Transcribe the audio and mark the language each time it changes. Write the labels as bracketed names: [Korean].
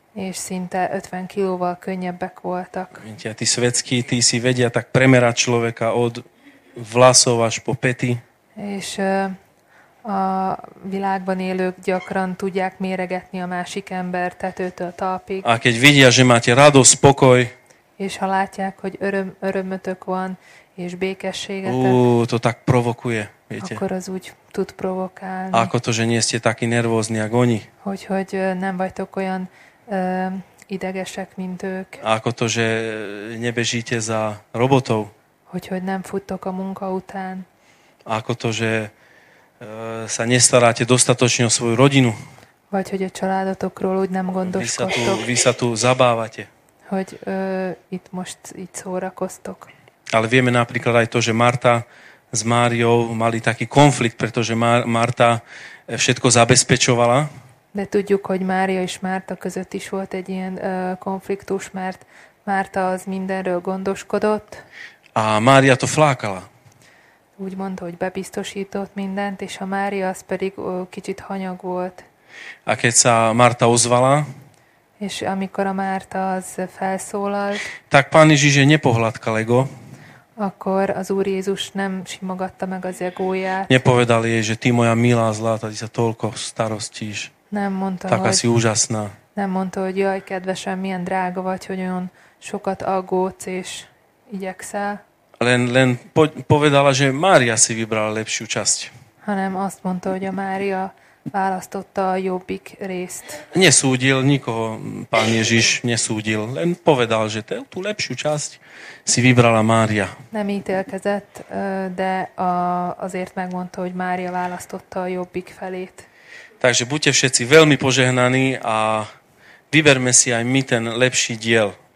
[Hungarian] És szinte 50 kilóval könnyebbek voltak. [Slovak] Mintia, ti svetskí, ti si vedia tak premerať človeka od vlasov až po pety. [Hungarian] És a világban élők gyakran tudják méregetni a másik ember tetőtől talpig. [Slovak] A keď vidia, že máte radosť, spokoj. [Hungarian] És ha látják, hogy örömötök van, és békességetek. [Slovak] To tak provokuje, viete. [Hungarian] Akkor az úgy tud provokálni. [Slovak] A ako to, že nie ste takí nervózni, ako oni. [Hungarian] Hogy nem vagytok olyan idegesek, mint ők. [Slovak] Ako to, že nebežíte za robotov. [Hungarian] Hogy nem futtok a munka után. [Slovak] Ako to, že sa nestaráte dostatočne o svoju rodinu. [Hungarian] Vagy hogy a családotokról úgy nem gondoskodtok. [Slovak] Vy sa tu zabávate. [Hungarian] Hogy itt most így szórakoztok. [Slovak] Ale vieme napríklad aj to, že Marta s Máriou mali taký konflikt, pretože Marta všetko zabezpečovala. [Hungarian] De tudjuk, hogy Mária és Márta között is volt egy ilyen konfliktus, mert Márta az mindenről gondoskodott. [Slovak] A Mária to flákala. [Hungarian] Úgy mondta, hogy bebiztosított mindent, és a Mária az pedig kicsit hanyag volt. [Slovak] A keď sa Márta ozvala. [Hungarian] És amikor a Márta az felszólalt. [Slovak] Tak Pán Ježiš je nepohladkal ego. [Hungarian] Akkor az Úr Jézus nem simogatta meg az egóját. [Slovak] Nepovedal jej, že ty moja milá zláta, ty sa toľko starostíš. [Hungarian] Nem mondta, [Slovak] tak asi úžasná. [Hungarian] Nem mondta, hogy jaj, kedvesem, milyen drága vagy, hogy olyan sokat aggódsz és igyekszel. [Slovak] Len povedala, že Mária si vybrala lepšiu časť. [Hungarian] Hanem azt mondta, hogy a Mária választotta a jobbik részt. [Slovak] Nesúdil nikoho, Pán Ježiš nesúdil. Len povedal, že tú lepšiu časť si vybrala Mária. [Hungarian] Nem ítélkezett, de azért megmondta, hogy Mária választotta a jobbik felét. [Slovak] Takže buďte všetci veľmi požehnaní a vyberme si aj my ten lepší diel.